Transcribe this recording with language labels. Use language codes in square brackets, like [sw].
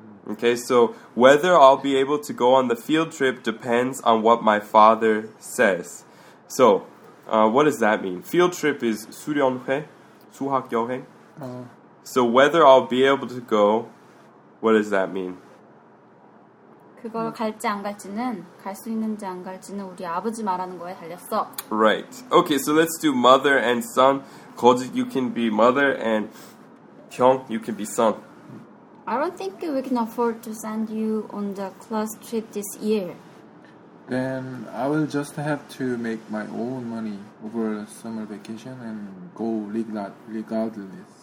[en] Okay, so whether I'll be able to go on the field trip depends on what my father says. So, what does that mean? Field trip is [ko] 수련회. 수학 여행. [en] So whether I'll be able to go, what does that mean? [ko] 그걸 갈지 안 갈지는 갈 수 있는지 안 갈지는 우리 아버지 말하는 거에 달렸어. [en] Right. Okay. So let's do mother and son. 거지, you can be mother, and 형, you can be son. I don't think we can afford to send you on the class trip this year. Then I will just have to make my own money over summer vacation and go regardless.